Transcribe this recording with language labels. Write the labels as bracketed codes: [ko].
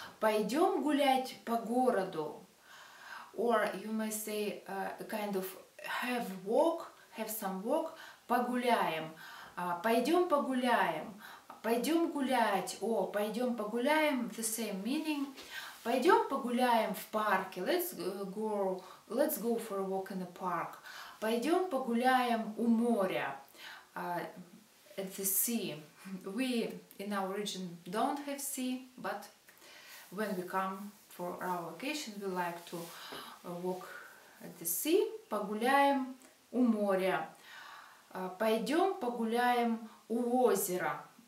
[ru] Пойдем гулять по городу. [en] Or you may say kind of have walk, have some walk. [ru] Погуляем. Пойдем погуляем. Пойдем гулять. О, пойдем погуляем. [en] The same meaning. [ru] Пойдем погуляем в парке. [en] Let's go for a walk in the park. [ru] Пойдем погуляем у моря. [en] At the sea. We in our region don't have sea, but when we come for our vacation, we like to walk at the sea. [ru] Погуляем у моря. Пойдем погуляем у озера.